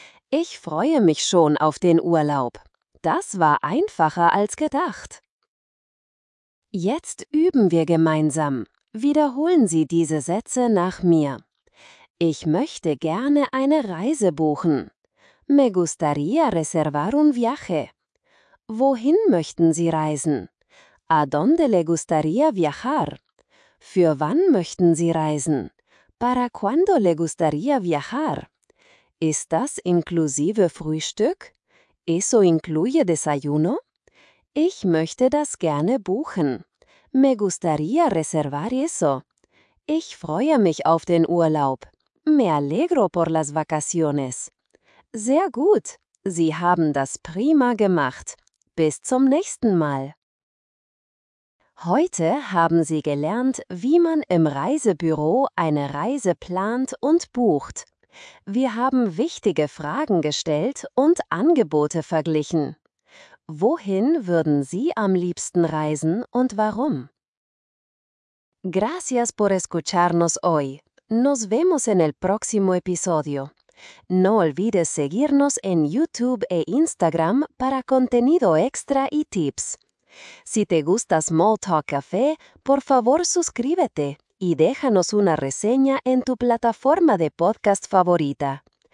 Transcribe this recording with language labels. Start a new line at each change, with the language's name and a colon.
German: Ich freue mich schon auf den Urlaub. Das war einfacher als gedacht. Jetzt üben wir gemeinsam. Wiederholen Sie diese Sätze nach mir. Ich möchte gerne eine Reise buchen.
Spanish: Me gustaría reservar un viaje.
German: Wohin möchten Sie reisen?
Spanish: A dónde le gustaría viajar?
German: Für wann möchten Sie reisen?
Spanish: Para cuándo le gustaría viajar?
German: Ist das inklusive Frühstück?
Spanish: Eso incluye desayuno?
German: Ich möchte das gerne buchen.
Spanish: Me gustaría reservar eso.
German: Ich freue mich auf den Urlaub.
Spanish: Me alegro por las vacaciones.
German: Sehr gut. Sie haben das prima gemacht. Bis zum nächsten Mal. Heute haben Sie gelernt, wie man im Reisebüro eine Reise plant und bucht. Wir haben wichtige Fragen gestellt und Angebote verglichen. Wohin würden Sie am liebsten reisen und warum?
Spanish: Gracias por escucharnos hoy. Nos vemos en el próximo episodio. No olvides seguirnos en YouTube e Instagram para contenido extra y tips. Si te gusta Small Talk Café, por favor suscríbete y déjanos una reseña en tu plataforma de podcast favorita.